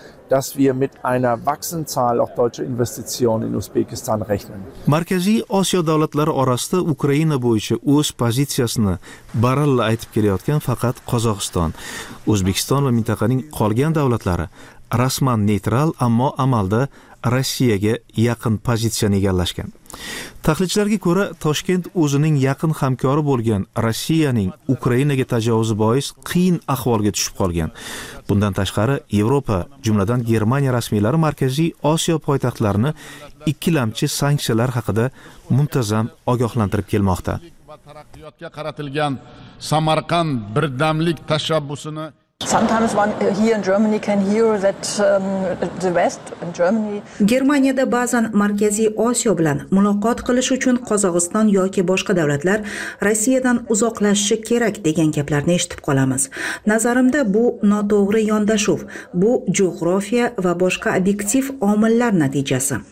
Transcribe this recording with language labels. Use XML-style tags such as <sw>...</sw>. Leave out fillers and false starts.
<de>Dass wir mit einer wachsenden Zahl auch deutscher Investitionen in Usbekistan rechnen.</de> <uz>Markaziy Osiyo davlatlari orasida Ukraina bo'yicha o'z pozitsiyasini baralla aytib kelayotgan faqat Qozog'iston. O'zbekiston va mintaqaning qolgan davlatlari rasman neytral, ammo amalda Rossiyaga yaqin pozitsiyani egallashgan. Tahlilchilarga ko'ra, Toshkent o'zining yaqin hamkori bo'lgan Rossiyaning Ukrainaga tajovuzi bois qiyin ahvolga tushib qolgan. Bundan tashqari, Yevropa, jumladan Germaniya rasmiylari Markaziy Osiyo poytaxtlarini ikkilamchi sanksiyalar haqida muntazam ogohlantirib kelmoqda. Taraqqiyotga qaratilgan Samarqand birdamlik tashabbusini</uz> <en>Sometimes one here in Germany can hear that the West in Germany</en> <uz>Germaniyada ba'zan Markaziy Osiyo bilan muloqot qilish uchun Qozog'iston yoki boshqa davlatlar Rossiyadan uzoqlashishi kerak degan gaplarni eshitib qolamiz. Nazarimda bu noto'g'ri yondashuv, bu jo'g'rofiya va boshqa obyektiv omillar natijasi.</uz>